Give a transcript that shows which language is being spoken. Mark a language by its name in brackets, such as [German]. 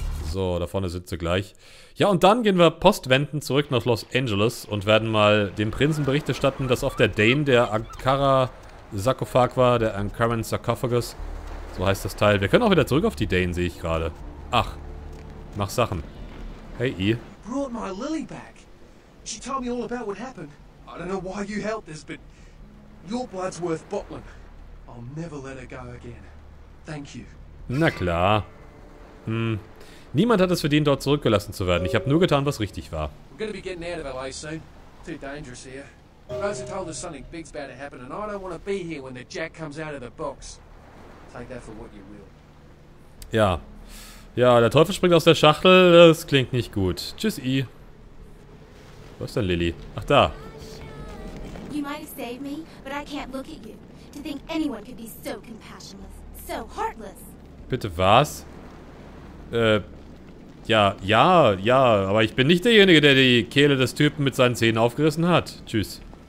[German] So, da vorne sitzt sie gleich. Ja, und dann gehen wir postwendend zurück nach Los Angeles und werden mal dem Prinzen Bericht erstatten, dass auf der Dane der Ankara-Sarkophag war, der Ankaran Sarcophagus. So heißt das Teil. Wir können auch wieder zurück auf die Dane, sehe ich gerade. Ach, mach Sachen. [English] Hey, E. Brought my Lily back. She told me all about what happened. I don't know why you helped this, but... Your blood's worth bottling. I'll never let her go again. Thank you. [German] Na klar. [English] Hm. [German] Niemand hat es verdient, dort zurückgelassen zu werden. Ich habe nur getan, was richtig war. [English] We're gonna be getting out of LA soon. Too dangerous here. Rosa told us something big's about to happen, and I don't want to be here when the Jack comes out of the box. Take that for what you will. [German] Ja. Ja, der Teufel springt aus der Schachtel. Das klingt nicht gut. Tschüss, E. Wo ist denn Lilly? Ach da. [English] You might have saved me, but I can't look at you. To think anyone could be so compassionless, so heartless. [German] Bitte was? Ja, aber ich bin nicht derjenige, der die Kehle des Typen mit seinen Zähnen aufgerissen hat. Tschüss.